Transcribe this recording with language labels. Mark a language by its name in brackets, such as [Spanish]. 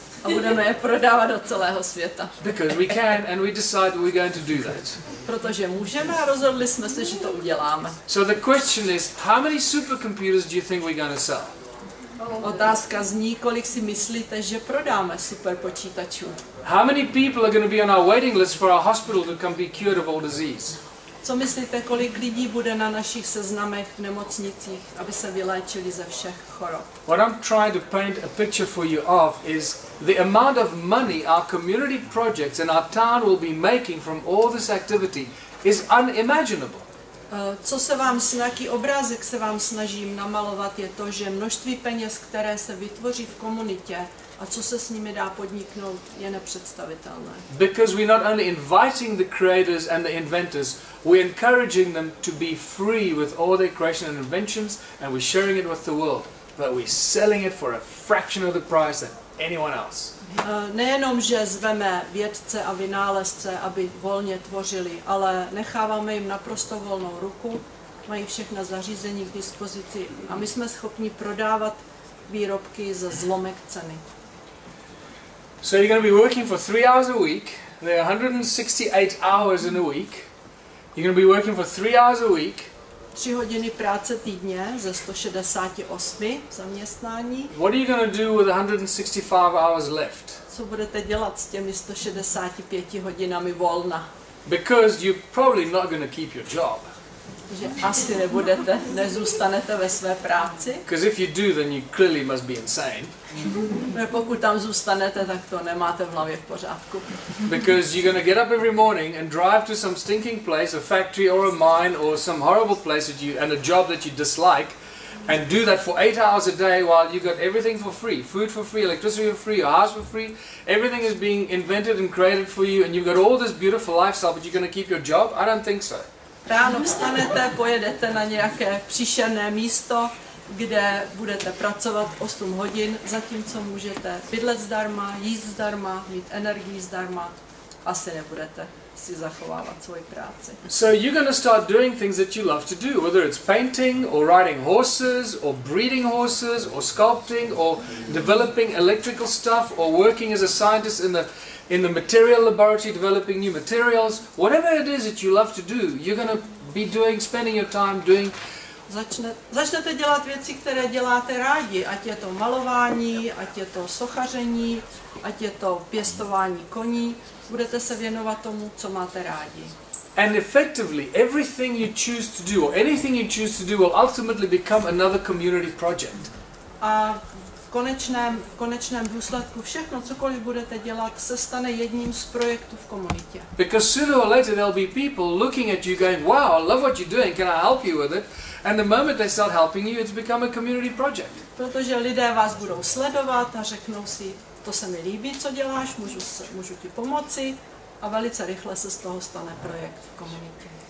[Czech] A budeme je prodávat do celého světa. [English] Because we can and we decide we're going to do that. [Czech] Protože můžeme a rozhodli jsme se, že to uděláme. [English] So the question is, how many supercomputers do you think we're going to sell? [Czech] Otázka zní, kolik si myslíte, že prodáme superpočítačů? [English] How many people are going to be on our waiting list for our hospital to come be cured of all disease? [Czech] Co myslíte, kolik lidí bude na našich seznamech v nemocnicích, aby se vyléčili ze všech chorob? [English] What I'm trying to paint a picture for you of is the amount of money our community projects and our town will be making from all this activity is unimaginable. [Czech] Co se vám snaží, obrázek se vám snažím namalovat, je to, že množství peněz, které se vytvoří v komunitě a co se s nimi dá podniknout, je nepředstavitelné. [English] Because we're not only inviting the creators and the inventors, we're encouraging them to be free with all their creation and inventions and we're sharing it with the world, but we're selling it for a fraction of the price that anyone else. [Czech] Nejenom, že zveme vědce a vynálezce, aby volně tvořili, ale necháváme jim naprosto volnou ruku, mají všechna zařízení k dispozici a my jsme schopni prodávat výrobky za zlomek ceny. [English] So you're going to be working for 3 hours a week, there are 168 hours in a week, you're going to be working for 3 hours a week. [Czech] 3 hodiny práce týdně ze 168 zaměstnání. [English] What are you going to do with 165 hours left? [Czech] Co budete dělat s těmi 165 hodinami volna? [English] Because you're probably not going to keep your job. [Czech] Že asi nebudete, nezůstanete ve své práci. [English] Because if you do, then you clearly must be insane. [Czech] No, pokud tam zůstanete, tak to nemáte v hlavě v pořádku. [English] Because you're going to get up every morning and drive to some stinking place, a factory or a mine or some horrible place that you and a job that you dislike and do that for 8 hours a day while you got everything for free, food for free, electricity for free, your house for free. Everything is being invented and created for you and you've got all this beautiful lifestyle, but you're going to keep your job? I don't think so. [Czech] Ráno vstanete, pojedete na nějaké příšerné místo, kde budete pracovat 8 hodin, zatímco můžete bydlet zdarma, jíst zdarma, mít energii zdarma, asi nebudete si zachovávat svoji práci. [English] So you're going to start doing things that you love to do, whether it's painting or riding horses or breeding horses or sculpting or developing electrical stuff or working as a scientist in the material laboratory developing new materials, whatever it is that you love to do, you're going to be doing, spending your time doing. [Czech] Začnete dělat věci, které děláte rádi, ať je to malování, ať je to sochaření, ať je to pěstování koní, budete se věnovat tomu, co máte rádi. [English] And effectively everything you choose to do or anything you choose to do will ultimately become another community project. [Czech] A v konečném důsledku všechno, cokoliv budete dělat, se stane jedním z projektů v komunitě. [English] Because sooner or later there'll be people looking at you going, wow, I love what you're doing, can I help you with it? And the moment they start helping you, it's become a community project. [Czech] Protože lidé vás budou sledovat a řeknou si, to se mi líbí, co děláš, můžu ti pomoci, a velice rychle se z toho stane projekt v komunitě.